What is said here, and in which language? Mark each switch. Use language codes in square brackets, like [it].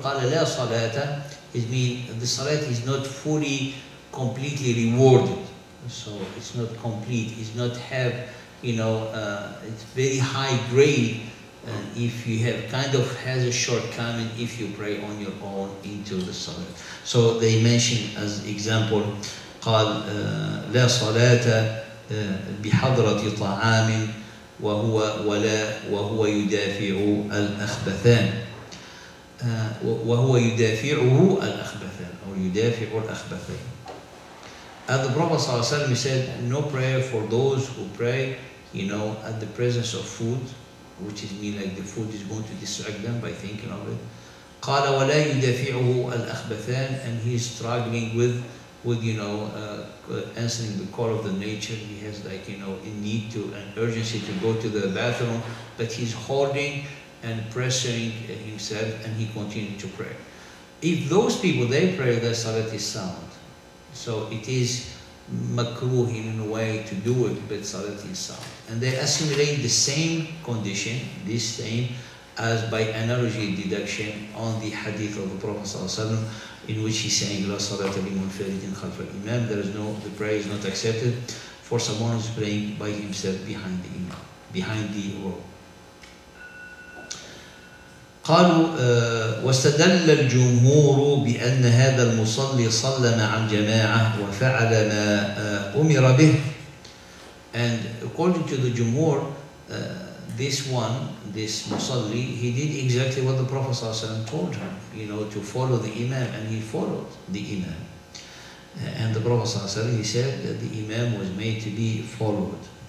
[en] Qala la salata, it means the salat is not fully, completely rewarded. So it's not complete, it's not have, you know, it's very high grade. If you have kind of has a shortcoming, if you pray on your own into the salat. So they mention as example, [ar] قال لا صلاة بحضرة طعام وهو ولا وهو يدافع الأخبثان وهو يدافعه الأخبثان أو يدافع الأخبثان. [en] And the Prophet صلى الله عليه وسلم said, no prayer for those who pray, you know, at the presence of food, which is mean like the food is going to distract them by thinking of it. [ar] قال ولا يدافعه الأخبثان, [en] and he is struggling with you know, answering the call of the nature. He has like, you know, a need to, an urgency to go to the bathroom, but he's holding and pressuring himself, and he continued to pray. If those people, they pray, their salat is sound. So it is makruh in a way to do it, but salat is sound. And they assimilate the same condition, this same, as by analogy deduction on the hadith of the Prophet ﷺ, in which he's saying, [ar] La salata li munfaridin khalfa al-imam, [en] there is no, the prayer is not accepted for someone who's praying by himself behind the imam, behind the wall. [ar] قالوا واستدل الجمهور بأن هذا المصلي صلى مع الجماعة وفعل ما أمر به. [en] And according to the jumhur, this one, this musalli, he did exactly what the Prophet ﷺ told him, you know, to follow the imam, and he followed the imam. And the Prophet ﷺ, he said that the imam was made to be followed.